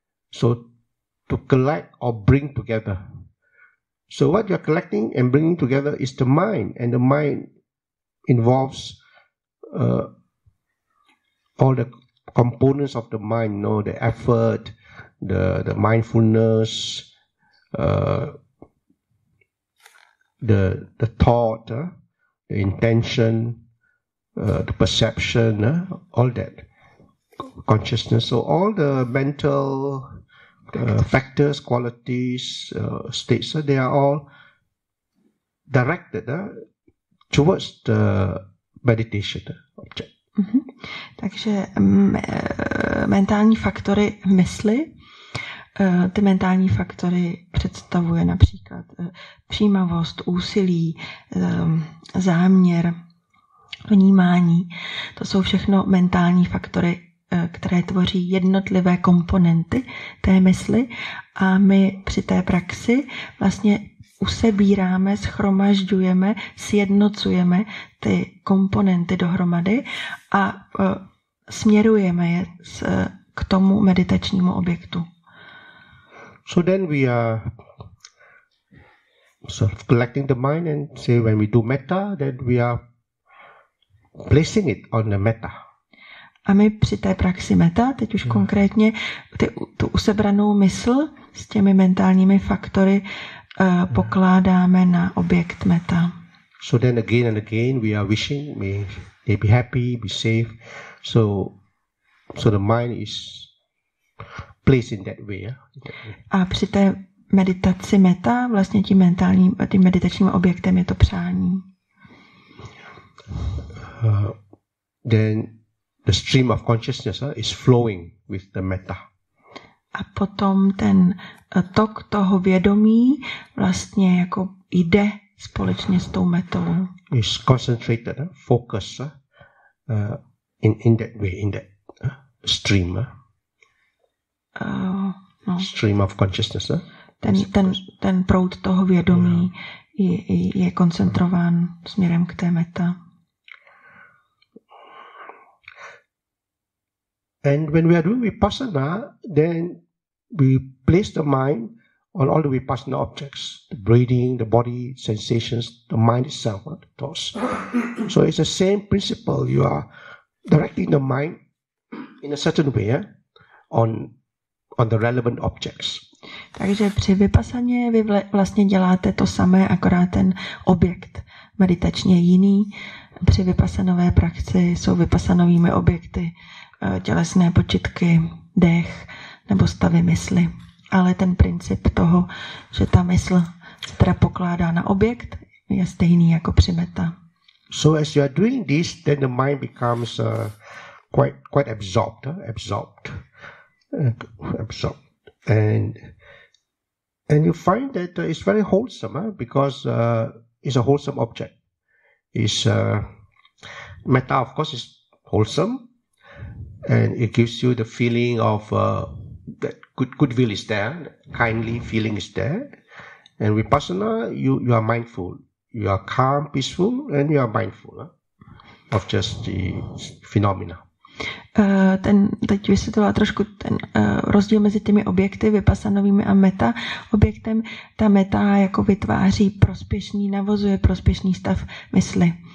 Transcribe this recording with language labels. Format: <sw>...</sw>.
<en>So to collect or bring together. So what you're collecting and bringing together is the mind, and the mind involves all the components of the mind, you know, the effort, the mindfulness, the thought, the intention, the perception, all that consciousness. So all the mental factors, qualities, states, they are all directed towards the meditation object. Mm-hmm.</en> <cs>Takže mentální faktory mysli, ty mentální faktory představuje například přijímavost, úsilí, záměr, vnímání. To jsou všechno mentální faktory, které tvoří jednotlivé komponenty té mysli, a my při té praxi vlastně usebíráme, schromažďujeme, sjednocujeme ty komponenty dohromady a směrujeme je k tomu meditačnímu objektu.</cs> <en>So then we are sort of collecting the mind, and say when we do metta, then we are placing it on the metta.</en> <cs>A my při té praxi metta, teď už konkrétně, tu usebranou mysl s těmi mentálními faktory pokládáme na objekt metta.</cs> <en>So then again and again we are wishing may they be happy, be safe. So the mind is placed in that way.</en> <cs>A při té meditaci metta vlastně tím meditačním objektem je to přání.</cs> <en>Then the stream of consciousness is flowing with the metta.</en> <cs>A potom ten tok toho vědomí vlastně jako jde společně s tou metou.</cs> <en>Is concentrated, focus in that way, in that stream. Stream of consciousness.</en> <cs>Ten proud toho vědomí je koncentrován směrem k té meta.</cs> <en>And when we are doing vipassana, then we place the mind on all the vipassana objects, the breathing, the body, sensations, the mind itself, the thoughts. So it's the same principle. You are directing the mind in a certain way on the relevant objects.</en> <cs>Takže při vipassaně vy vlastně děláte to samé, akorát ten objekt meditačně jiný. Při vipassanové praxi jsou vipassanovými objekty tělesné počitky, dech nebo stavy mysli. Ale ten princip toho, že ta mysl se teda pokládá na objekt, je stejný jako při metta.</cs> <en>So as you are doing this, then the mind becomes quite absorbed. Absorbed. And you find that it's very wholesome, because it's a wholesome object. It's metta, of course, is wholesome. And it gives you the feeling of that goodwill is there, kindly feeling is there. And vipassana, you are mindful. You are calm, peaceful, and you are mindful of just the phenomena.</en> <cs>Teď vysvětlila trošku ten rozdíl mezi těmi objekty, vipassanovými a meta objektem. Ta meta jako vytváří prospěšný, navozuje prospěšný stav mysli.</cs>